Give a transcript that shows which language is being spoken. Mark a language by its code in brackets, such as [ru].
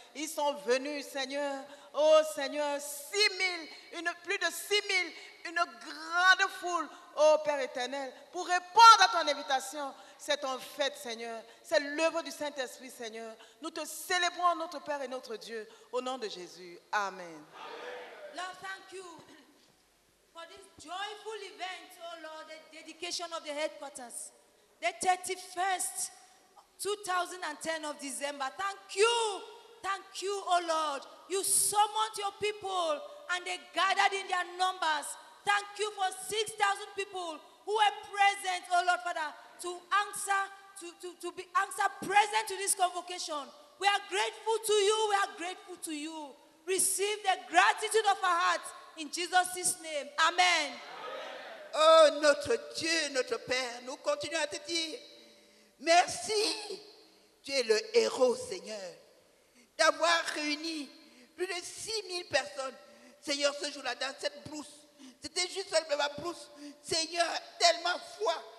[fr] Ils sont venus, Seigneur. Oh, Seigneur, 6 000, plus de 6 000, une grande foule, oh Père éternel, pour répondre à ton invitation. C'est ton fête, Seigneur. C'est l'œuvre du Saint-Esprit, Seigneur. Nous te célébrons, notre Père et notre Dieu, au nom de Jésus. Amen. Amen. [en] Lord, thank you for this joyful event, oh Lord, the dedication of the headquarters, the 31st, 2010 of December. Thank you, oh Lord. You summoned your people and they gathered in their numbers. Thank you for 6,000 people who were present, oh Lord, Father, to be present to this convocation. We are grateful to you, we are grateful to you. Receive the gratitude of our hearts in Jesus' name. Amen. [fr] Oh, notre Dieu, notre Père, nous continuons à te dire merci. Tu es le héros, Seigneur, d'avoir réuni plus de 6 000 personnes, Seigneur, ce jour-là, dans cette brousse. C'était juste la brousse. Seigneur, tellement foi,